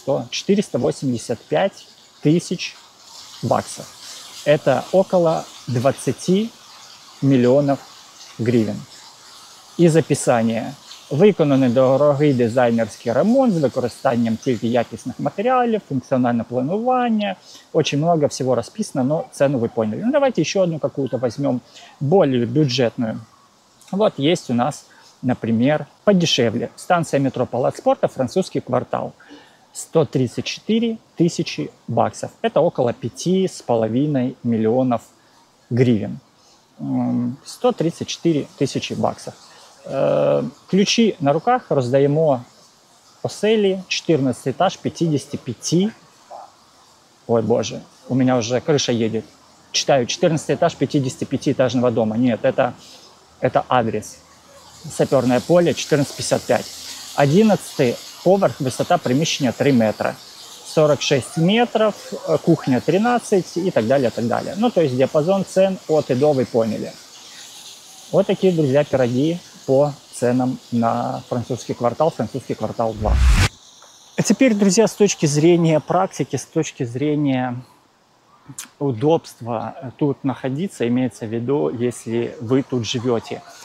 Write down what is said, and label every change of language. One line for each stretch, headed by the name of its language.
Russian: 485 тысяч баксов. Это около 20 миллионов гривен.
Ukrainian: Із описання. Виконаний дорогий дизайнерський ремонт з використанням тільки якісних матеріалів, функціональне планування.
Russian: Очень много всего розписано, но цену ви поняли. Ну, давайте
Ukrainian: ще одну
Russian: какую-то возьмем, более бюджетную. Вот есть у нас, например, подешевле.
Ukrainian: Станція метро Палац спорта, французький квартал. 134 тисячі баксів. Це около 5,5 мільйонів гривень. 134 тисячі баксів.
Russian: Ключи на руках,
Ukrainian: роздаємо оселі, 14 этаж, 55, ой боже, у мене вже крыша їде, читаю,
Russian: 14 этаж 55-этажного дома,
Ukrainian: ні, це адрес, саперне поле 1455, 11 поверх, висота приміщення 3 метри,
Russian: 46 метров, кухня 13 и так далее, и так далее. Ну, то есть диапазон цен от и до, вы поняли. Вот такие, друзья, пироги по ценам на французский квартал, французский квартал 2. А теперь, друзья, с точки зрения практики, с точки зрения удобства тут находиться, имеется в виду, если вы тут живете.